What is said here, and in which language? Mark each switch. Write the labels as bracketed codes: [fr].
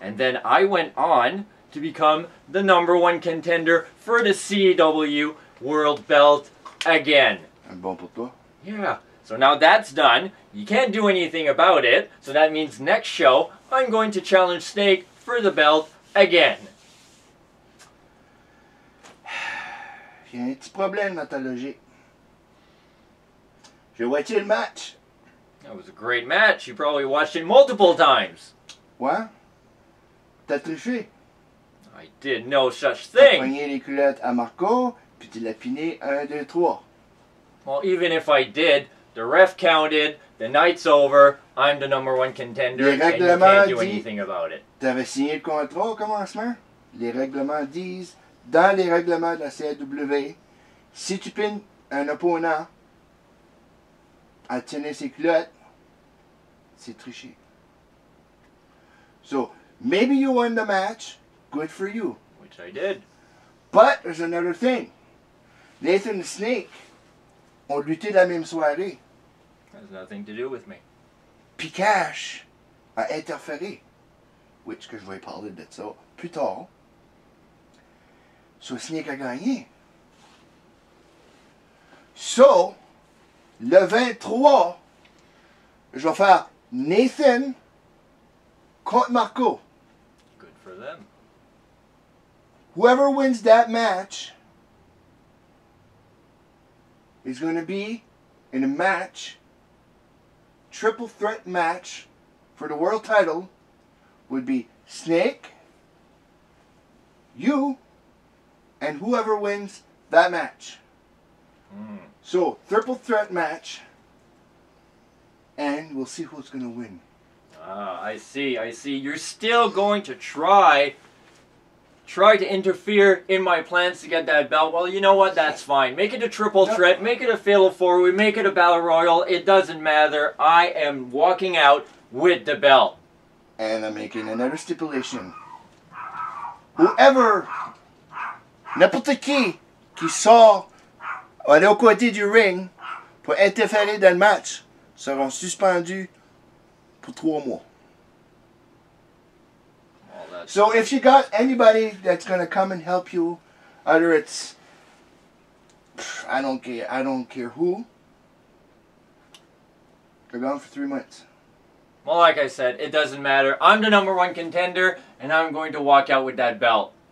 [en] And then I went on to become the number one contender for the C.A.W. world belt again. [fr] And bon pour toi. [en] Yeah. So now that's done. You can't do anything about it. So that means next show, I'm going to challenge Snake for the belt again. [fr] Il y a un petit problème dans ta logique. J'ai watché le match. [en] That was a great match. You probably watched it multiple times. [fr] Ouais. T'as triché. [en] I did no such thing. [fr] T'as poigné les culottes à Marco, puis tu l'as piné un, deux, trois. [en] Well, even if I did, the ref counted, the night's over, I'm the number one contender, [fr] les [en] and you can't do anything about it. [fr] T'avais signé le contrat au commencement? Les règlements disent, dans les règlements de la CAW, si tu pines un opponent à tenir ses culottes, c'est triché. [en] So, maybe you won the match, good for you. Which I did. But, there's another thing. [fr] Nathan the Snake ont lutté la même soirée. [en] Has nothing to do with me. [fr] Puis Cash a interféré, which que je vais parler de ça plus tard. So Snake a gagné. So, le 23, je vais faire Nathan contre Marco. [en] Good for them. Whoever wins that match is going to be in a match, triple threat match for the world title, would be Snake, you, and whoever wins that match. So, triple threat match, and we'll see who's going to win. I see. You're still going to try to interfere in my plans to get that belt. Well, you know what? That's fine. Make it a triple threat. Make it a fatal four. We make it a battle royal. It doesn't matter. I am walking out with the belt. And I'm making another stipulation. [fr] Whoever, n'importe qui sort aller au côté du ring pour interférer dans le match sera suspendu pour 3 mois. [en] So if you got anybody that's going to come and help you, either it's, I don't care who, they're gone for 3 months. Well, like I said, it doesn't matter. I'm the number one contender, and I'm going to walk out with that belt.